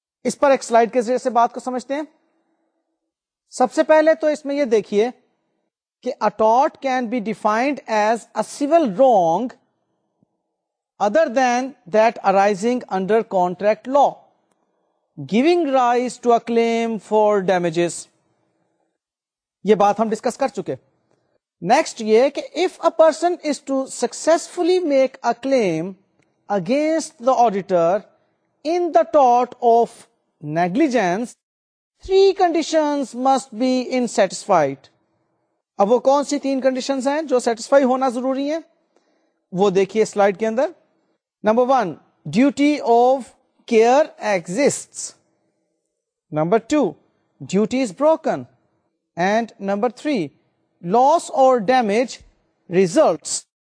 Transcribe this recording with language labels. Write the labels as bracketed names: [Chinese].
[Urdu] اس پر ایک سلائیڈ کے ذریعے سے بات کو سمجھتے ہیں. سب سے پہلے تو اس میں یہ دیکھیے کہ [English] A tort can be defined as a civil wrong other than that arising under contract law giving rise to a claim for damages. [Urdu] یہ بات ہم ڈسکس کر چکے. نیکسٹ یہ کہ [English] If a person is to successfully make a claim against the auditor in the tort of negligence three conditions must be in satisfied. [Urdu] اب وہ کون سی تین کنڈیشنز ہیں جو سیٹسفائی ہونا ضروری ہیں وہ دیکھیے سلائیڈ کے اندر. [English] Number one, duty of care exists. Number two, duty is broken. And number three, loss or damage results.